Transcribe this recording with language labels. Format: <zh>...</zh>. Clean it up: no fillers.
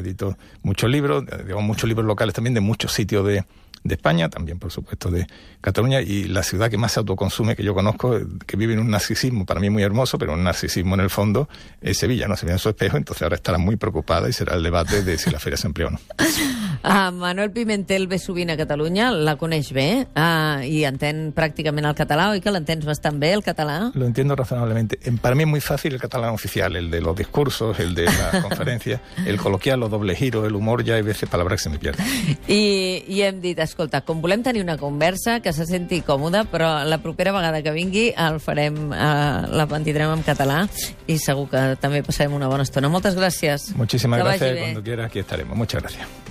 <es>Edito muchos libros, digamos muchos libros locales también de muchos sitios de España, también por supuesto de Cataluña, y la ciudad que más se autoconsume que yo conozco, que vive en un narcisismo, para mí muy hermoso, pero un narcisismo en el fondo, es Sevilla, ¿no? Sevilla en su espejo, entonces ahora estará muy preocupada y será el debate de si la feria se amplió o no.</es> <ca>Ah, Manuel Pimentel ve sovint a Catalunya, la coneix bé, i entén pràcticament el català, oi que l'entens bastant bé, el català?</ca> <es>Lo entiendo razonablemente. Para mí es muy fácil el catalán oficial, el de los discursos, el de la conferencia, el coloquial, los doble giros, el humor,</es> <ca>ja hi ha</ca> <es>veces palabras que se me pierden.</es> <ca>I hem dit, escolta, com volem tenir una conversa que se senti còmoda, però la propera vegada que vingui el farem, la mantindrem en català, i segur que també passarem una bona estona. Moltes gràcies. Moltíssimes gràcies,</ca> <es>cuando quiera aquí estaremos. Muchas gracias.</es>